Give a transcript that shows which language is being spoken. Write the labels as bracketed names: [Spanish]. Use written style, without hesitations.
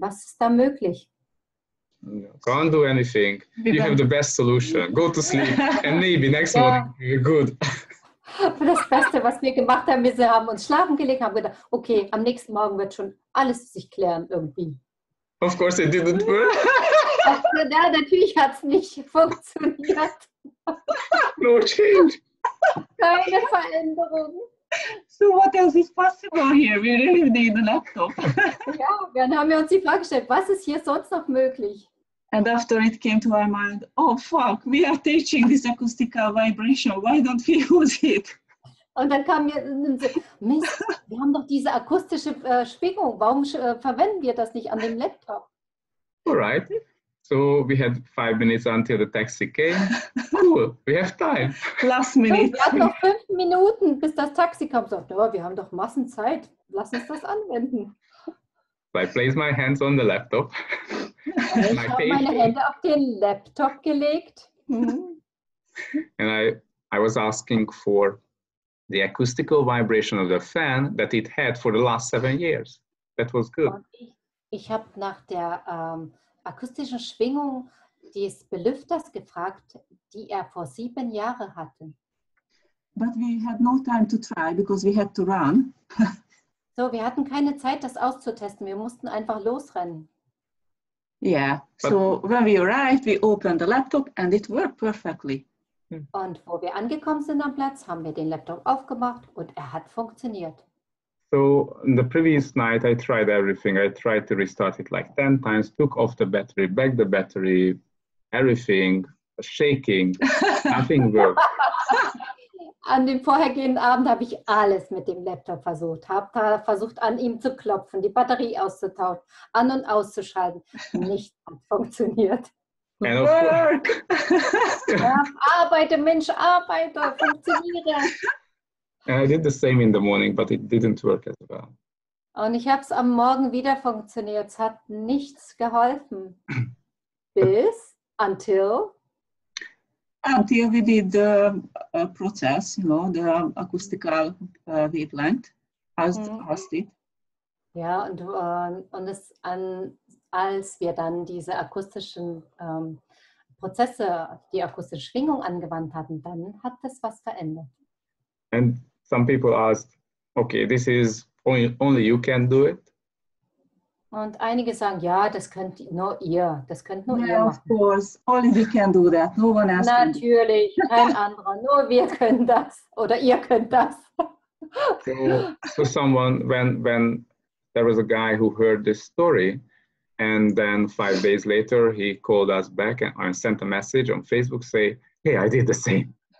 [German] Was ist da möglich? [English] Can't do anything. You have the best solution. Go to sleep, and maybe next morning, you're good. [German] Das Beste, was wir gemacht haben, wir haben uns schlafen gelegt, haben gedacht, okay, am nächsten Morgen wird schon alles sich klären irgendwie. [English] Of course it didn't work. [German] Also, ja, natürlich hat es nicht funktioniert. [English] No change. [German] Keine Veränderung. [English] So what else is possible here? We really need a laptop. [German] Ja, dann haben wir uns die Frage gestellt, was ist hier sonst noch möglich? [English] And after it came to my mind, oh fuck, we are teaching this acoustical vibration, why don't we use it? [German] Und dann kam mir, Mist, wir haben doch diese akustische Schwingung, warum verwenden wir das nicht an dem Laptop? [English] Alright, so we had 5 minutes until the taxi came. Cool, we have time. Last minute. [German] Wir hatten noch 5 Minuten, bis das Taxi kam. So, oh, wir haben doch Massenzeit, lass uns das anwenden. [English] So I place my hands on the laptop. [German] Ich habe meine Hände auf den Laptop gelegt. [English] And I was asking for the acoustical vibration of the fan that it had for the last 7 years. That was good. [German] Und ich habe nach der akustischen Schwingung des Belüfters gefragt, die vor 7 Jahren hatte. [English] But we had no time to try because we had to run. [German] So, wir hatten keine Zeit, das auszutesten. Wir mussten einfach losrennen. [English] Yeah, but so when we arrived, we opened the laptop and it worked perfectly. [German] Und wo wir angekommen sind am Platz, haben wir den Laptop aufgemacht und er hat funktioniert. [English] So So the previous night, I tried everything. I tried to restart it like 10 times, took off the battery, back the battery, everything, shaking, nothing worked. [German] An dem vorhergehenden Abend habe ich alles mit dem Laptop versucht. Habe da versucht, an ihm zu klopfen, die Batterie auszutauschen, an- und auszuschalten. Nichts hat funktioniert. [English] And of course, work! [German] Arbeite, Mensch, arbeite, funktioniere. [English] And I did the same in the morning, but it didn't work as well. [German] Und ich habe es am Morgen wieder funktioniert. Es hat nichts geholfen. Bis, [English] until... Until we did the process, you know, the acoustical wavelength, as asked it. [German] Ja, und es an, als wir dann diese akustischen Prozesse, die akustische Schwingung angewandt hatten, dann hat das was verändert. [English] And some people asked, okay, this is only you can do it. [German] Und einige sagen, ja, das könnt nur ihr, das könnt nur ihr machen. [English] Of course, only we can do that, no one else. [German] Natürlich, kein anderer, nur wir können das, oder ihr könnt das. [English] So someone, when there was a guy who heard this story, and then 5 days later, he called us back and sent a message on Facebook, say, hey, I did the same.